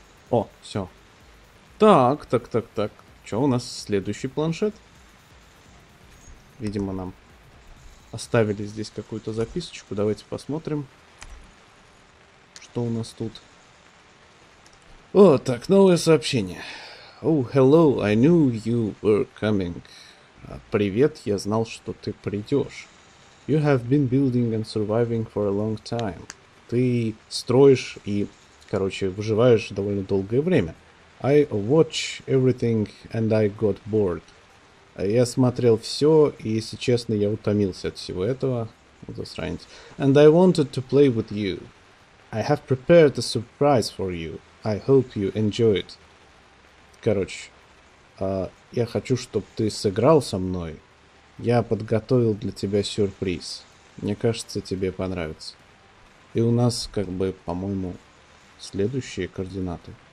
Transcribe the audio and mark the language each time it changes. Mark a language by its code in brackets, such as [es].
[ru] О, все. Так, так, так, так. Чё у нас следующий планшет? Видимо, нам оставили здесь какую-то записочку. Давайте посмотрим, что у нас тут. О, так, новое сообщение. [en] Oh, hello, I knew you were coming. [ru] Привет, я знал, что ты придешь. [en] You have been building and surviving for a long time. [ru] Ты строишь и, короче, выживаешь довольно долгое время. [en] I watch everything and I got bored. [ru] Я смотрел все, и, если честно, я утомился от всего этого. Засранец. [en] And I wanted to play with you. I have prepared a surprise for you. I hope you enjoy it. [ru] Короче, я хочу, чтобы ты сыграл со мной. Я подготовил для тебя сюрприз. Мне кажется, тебе понравится. И у нас, как бы, по-моему, следующие координаты.